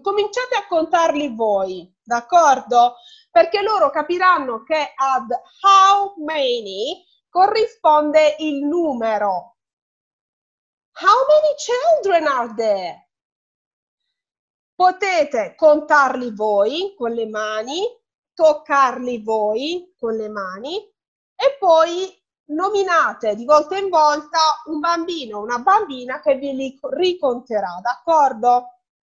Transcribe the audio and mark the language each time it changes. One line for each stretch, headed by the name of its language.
Italian: Cominciate a contarli voi, d'accordo? Perché loro capiranno che ad how many corrisponde il numero.
English: How many children are there?
Italian: Potete contarli voi con le mani, toccarli voi con le mani e poi nominate di volta in volta un bambino, una bambina che vi li riconterà, d'accordo?